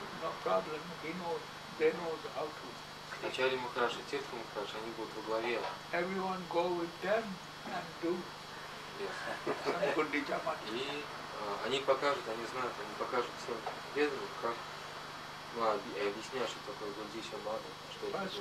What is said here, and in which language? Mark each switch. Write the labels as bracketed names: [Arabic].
[English] No problem, he knows, they know how to. [Russian] Ачари Махараш и Тирта Махараш, они будут во главе. [English] Everyone go with them and do some Гундича Марджи. [Russian] Они покажут, они знают, они покажут всем преданным, как, ну, и объясняют, что такое Гундича Марджа, что это значит.